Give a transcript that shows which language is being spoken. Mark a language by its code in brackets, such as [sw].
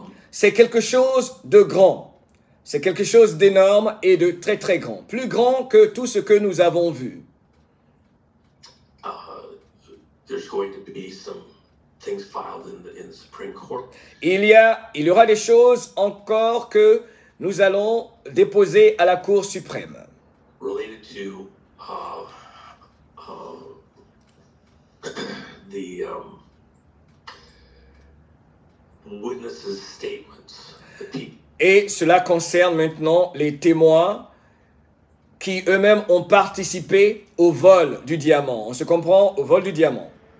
[fr] C'est quelque chose de grand. C'est quelque chose d'énorme et de très, très grand. Plus grand que tout ce que nous avons vu. [en] There's going to be some things filed in the Supreme Court. [fr] Il y aura des choses encore que nous allons déposer à la Cour suprême. [en] Related to the witnesses' statements. [fr] Et cela concerne maintenant les témoins qui eux-mêmes ont participé au vol du diamant. On se comprend, au vol du diamant.